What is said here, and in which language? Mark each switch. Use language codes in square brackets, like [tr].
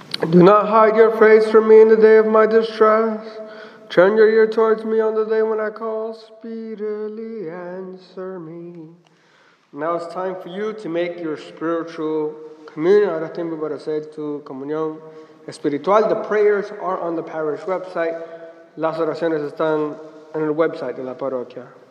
[en] Do not hide your face from me in the day of my distress. Turn your ear towards me on the day when I call. Speedily answer me. Now it's time for you to make your spiritual communion. [es] Ahora tiempo para hacer tu comunión espiritual. [en] The prayers are on the parish website. [es] Las oraciones están en el website de la parroquia.